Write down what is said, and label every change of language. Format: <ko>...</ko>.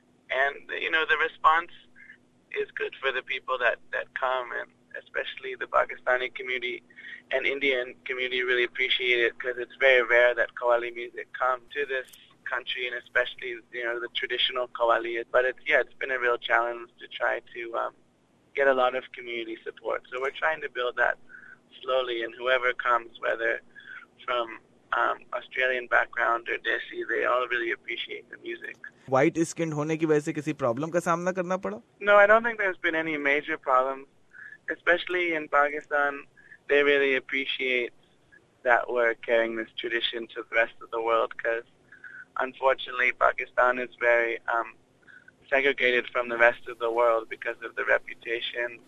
<en>And, you know, the response is good for the people that come, and especially the Pakistani community and Indian community really appreciate it, because it's very rare that Qawwali music come to this country, and especially, you know, the traditional Qawwali. But it's been a real challenge to try to get a lot of community support. So we're trying to build that slowly, and whoever comes, whether from Australian background or Desi, they all really appreciate the music. White skinned</en> <hi>होने की वजह से किसी problem का सामना करना पड़ा?</hi> <en>No, I don't think there's been any major problems. Especially in Pakistan, they really appreciate that we're carrying this tradition to the rest of the world, because unfortunately Pakistan is very segregated from the rest of the world because of the reputation.</en>